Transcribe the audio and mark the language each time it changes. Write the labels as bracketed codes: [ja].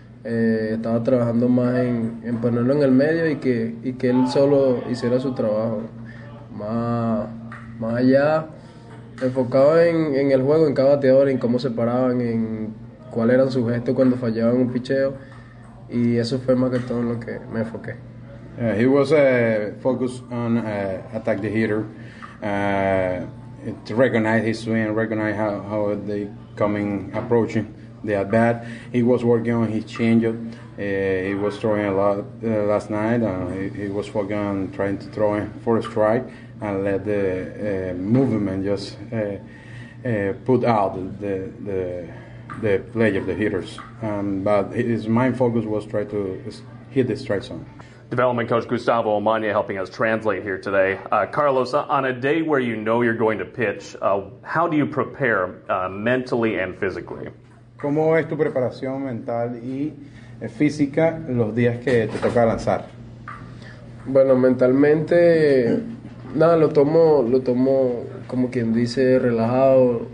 [es] Estaba trabajando más en ponerlo en el medio y que él solo hiciera su trabajo. Más allá, enfocado en el juego, en cada bateador, en cómo se paraban, en cuál era su gesto cuando fallaban un picheo. y eso fue más que todo en lo que me enfoqué. [en] He was focused on attack the hitter, to recognize his swing, recognize how they coming approaching the at bat. He was working on his changeup. He was throwing a lot last night. He was working on trying to throw for a strike and let the movement just put out the play of the hitters. But his main focus was try to hit the strike zone. Development coach Gustavo Omana helping us translate here today. Carlos, on a day where you know you're going to pitch, how do you prepare mentally and physically? [es] ¿Cómo es tu preparación mental y física los días que te toca lanzar? Bueno, mentalmente, nada, lo tomo como quien dice, relajado.